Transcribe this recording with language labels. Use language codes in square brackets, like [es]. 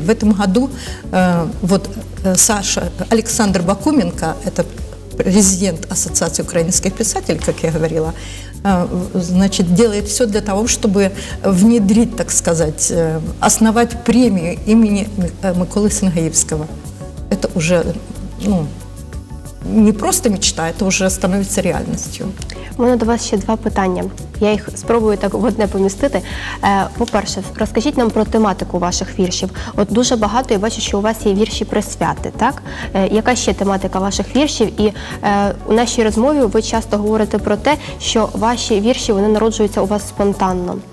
[ru] В цьому році Саша Олександр Бакуменко, це президент Асоціації українських писателів, як я говорила, значить, делает все для того, чтобы внедрить, так сказать, основать премию имени Миколи Сенгаївського. Это уже, ну, не просто мечта, это уже становится реальностью. [uk] У мене до вас ще два питання. Я їх спробую так в одне помістити. По-перше, розкажіть нам про тематику ваших віршів. От дуже багато, я бачу, що у вас є вірші про свята, так? Яка ще тематика ваших віршів? І у нашій розмові ви часто говорите про те, що ваші вірші, вони народжуються у вас спонтанно.